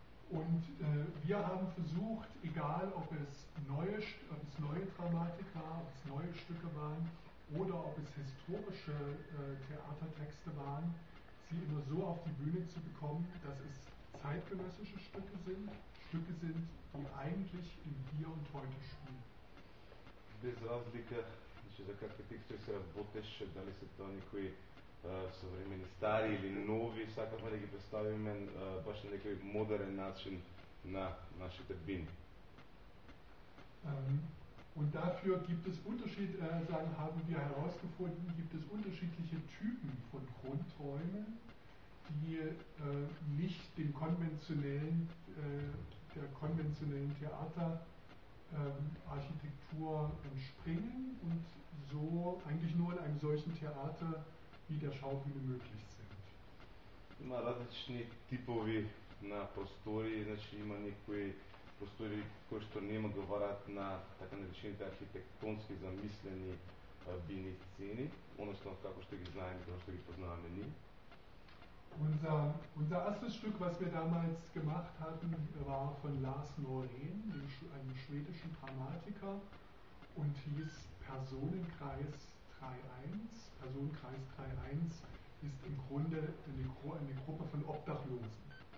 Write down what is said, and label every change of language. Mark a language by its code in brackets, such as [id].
[de] Und wir haben versucht, egal ob es neue Dramatik war, ob es neue Stücke waren oder ob es historische Theatertexte waren, sie immer so auf die Bühne zu bekommen, dass es zeitgenössische Stücke sind, die eigentlich im Hier und Heute spielen. [mk] Без разлика, значи, за какви текстове се работеше, дали се тоа некои современи стари или нови, сакавме да ги представиме баш на некој модерен начин на нашите бини. [de] Und dafür gibt es Unterschied, sagen haben wir herausgefunden, gibt es unterschiedliche Typen von Grundräumen, die nicht dem konventionellen der konventionellen Theater Architektur entspringen und so eigentlich nur in einem solchen Theater wie der Schaubühne möglich sind. [mk] Има различни типови на простори, значи има некои простори кои што нема говорат на така наречените архитектонски замислени бини сцени, односно како што ги знаеме, како што ги познаваме ние. [de] Unser erstes Stück, was wir damals gemacht hatten, war von Lars Norén, einem schwedischen Dramatiker, und hieß Personenkreis 3.1. Personenkreis 3.1 ist im Grunde eine Gruppe von Obdachlosen.